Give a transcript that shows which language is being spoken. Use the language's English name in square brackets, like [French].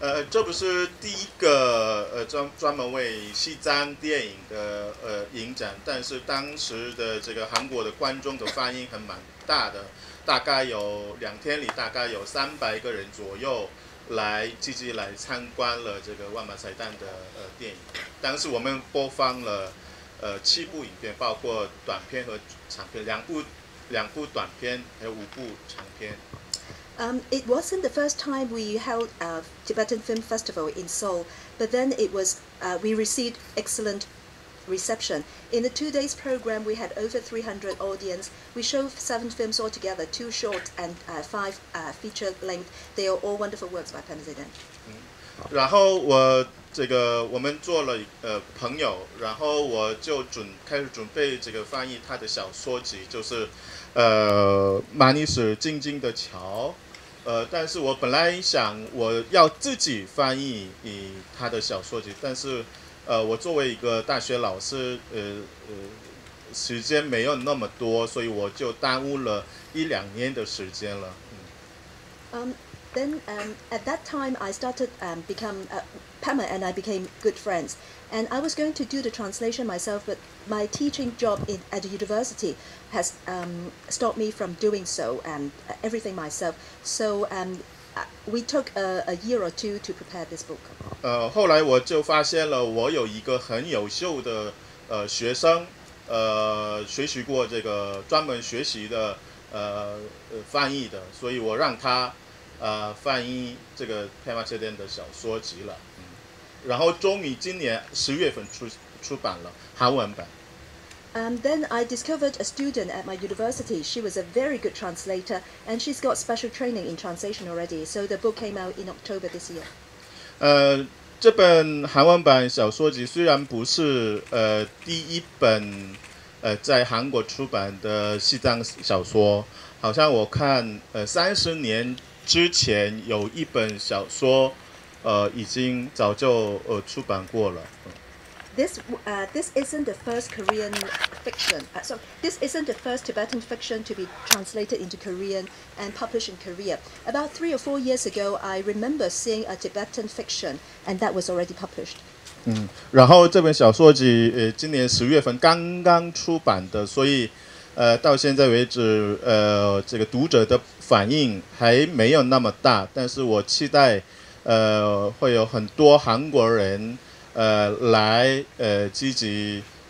[Chinese] 这不是第一个专门为西藏电影的影展，但是当时的这个韩国的观众的反应很蛮大的，大概有两天里大概有300个人左右来参观了这个万马彩蛋的电影。当时我们播放了七部影片，包括短片和长片，两部短片还有五部长片。 [English] It wasn't the first time we held a Tibetan Film Festival in Seoul, but then it was, we received excellent reception. In the 2 days program, we had over 300 audience. We showed 7 films altogether, 2 short and 5 feature length. They are all wonderful works by Pema Tseden. [Chinese] 然后我们做了朋友，然后我就开始准备这个翻译他的小说集，就是马尼石静静的桥。但是我本来想我要自己翻译他的小说集，但是我作为一个大学老师时间没有那么多，所以我就耽误了一两年的时间了。 [English] Then at that time I started become Pema and I became good friends. And I was going to do the translation myself, but my teaching job at university has stopped me from doing so and everything myself. So we took a year or two to prepare this book. [Chinese] 后来我就发现了我有一个很优秀的学生学习过这个专门学习的翻译的，所以我让他翻译这个 Pema Tseden 的小说集了，然后终于今年十月份出版了韩文版。 [English] Then I discovered a student at my university. She was a very good translator, and she's got special training in translation already. So the book came out in October this year. [Chinese] 这本韩文版小说集虽然不是第一本在韩国出版的西藏小说，好像我看30年之前有一本小说已经早就出版过了。 [English] This isn't the first Korean fiction. This isn't the first Tibetan fiction to be translated into Korean and published in Korea. About 3 or 4 years ago, I remember seeing a Tibetan fiction, and that was already published. [Chinese] 然后这本小说集今年十月份刚刚出版的，所以到现在为止这个读者的反应还没有那么大，但是我期待会有很多韩国人来积极